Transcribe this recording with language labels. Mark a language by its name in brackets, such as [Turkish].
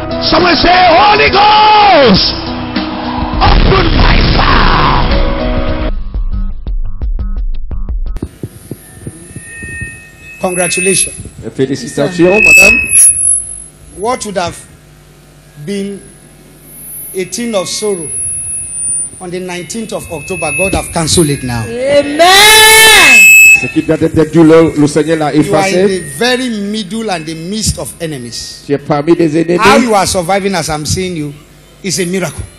[English] Someone say Holy Ghost. Open my fire. Congratulations. [French] Félicitations, madame. [English] What would have been a thing of sorrow on the 19th of October, God have cancelled it now. Amen. [French] Ce qui vient d'être dû, le Seigneur l'a effacé. [English] You are in the very middle and the midst of enemies. [French] Tu es parmi des ennemis. [English] How you are surviving as I'm seeing you is a miracle.